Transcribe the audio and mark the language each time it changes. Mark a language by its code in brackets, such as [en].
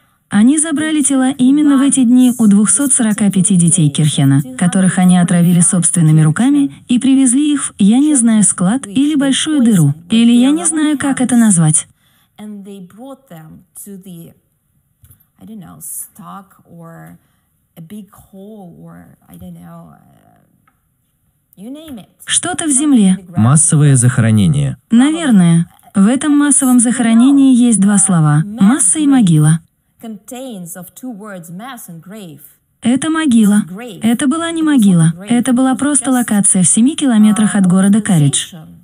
[ru] Они забрали тела именно в эти дни у 245 детей Кирхена, которых они отравили собственными руками и привезли их в, я не знаю, склад или большую дыру, или я не знаю, как это назвать. [en] And they brought them to the, I don't know, stock or a big hole or, I don't know, you name it. [ru] Что-то в земле. Массовое захоронение. Наверное. В этом массовом захоронении есть два слова. Масса и могила. [en] Contains of two words, mass and grave. [ru] Это могила. Это была не могила. Это была просто локация в 7 километрах от города Каридж.